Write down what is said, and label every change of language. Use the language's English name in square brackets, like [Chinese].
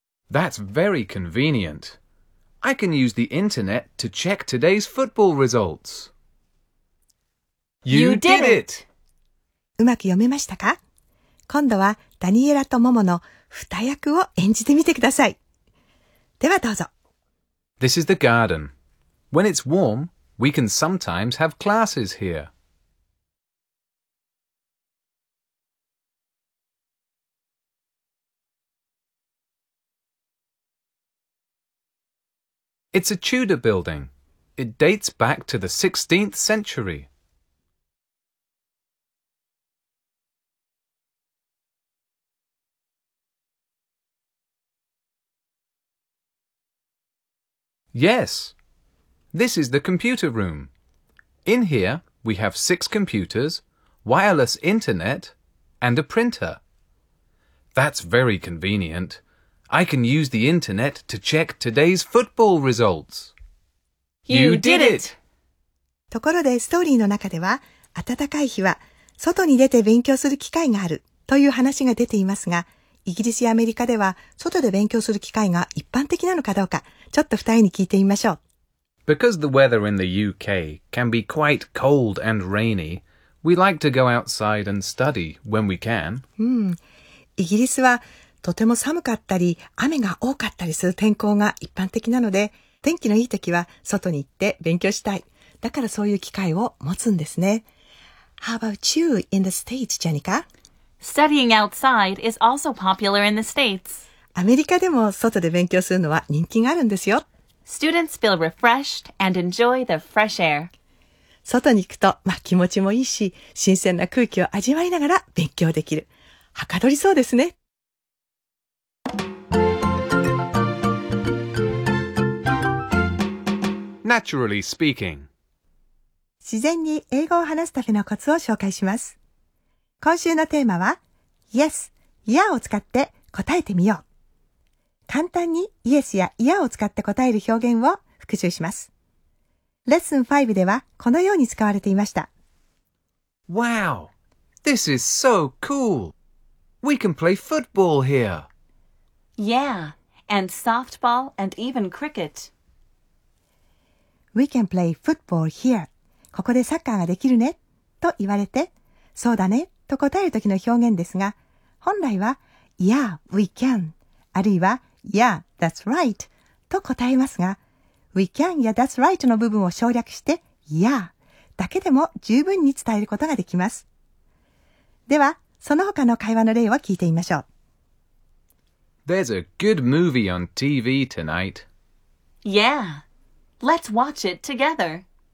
[English] That's very convenient. I can use the internet to check today's football results. You did it! [Japanese] うまく読めましたか? 今度はダニエラとモモの二役を演じてみてください。ではどうぞ。 [English] This is the garden. When it's warm, we can sometimes have classes here. It's a Tudor building. It dates back to the 16th century. Yes, this is the computer room. In here, we have 6 computers, wireless internet, and a printer. That's very convenient. I can use the internet to check today's football results. You did it! [Japanese] ところで、ストーリーの中では、暖かい日は外に出て勉強する機会があるという話が出ていますが、イギリスやアメリカでは外で勉強する機会が一般的なのかどうか、ちょっと二人に聞いてみましょう。 [English] Because the weather in the UK can be quite cold and rainy, we like to go outside and study when we can. [Japanese] イギリスはとても寒かったり、雨が多かったりする天候が一般的なので、天気のいい時は外に行って勉強したい。だからそういう機会を持つんですね。 [English] How about you in the States, Janica? Studying outside is also popular in the States. [Japanese] アメリカでも外で勉強するのは人気があるんですよ。 [English] Students feel refreshed and enjoy the fresh air. [Japanese] 外に行くと、まあ、気持ちもいいし、新鮮な空気を味わいながら勉強できる。はかどりそうですね。 [English] Naturally speaking. [Japanese] 自然に英語を話すためのコツを紹介します。今週のテーマは Yes, Yeah を使って答えてみよう。簡単に Yes や Yeah を使って答える表現を復習します。レッスン5ではこのように使われていました。 [English] Wow! This is so cool! We can play football here! Yeah, and softball and even cricket. We can play football here. [Japanese] ここでサッカーができるねと言われて、そうだね。と答えるときの表現ですが、本来は、 [English] Yeah, we can. [Japanese] あるいは、 [English] Yeah, that's right. [Japanese] と答えますが、 [English] We can [Japanese] や [English] that's right [Japanese] の部分を省略して、Yeah だけでも十分に伝えることができます。では、その他の会話の例を聞いてみましょう。 [English] There's a good movie on TV tonight. Yeah, let's watch it together.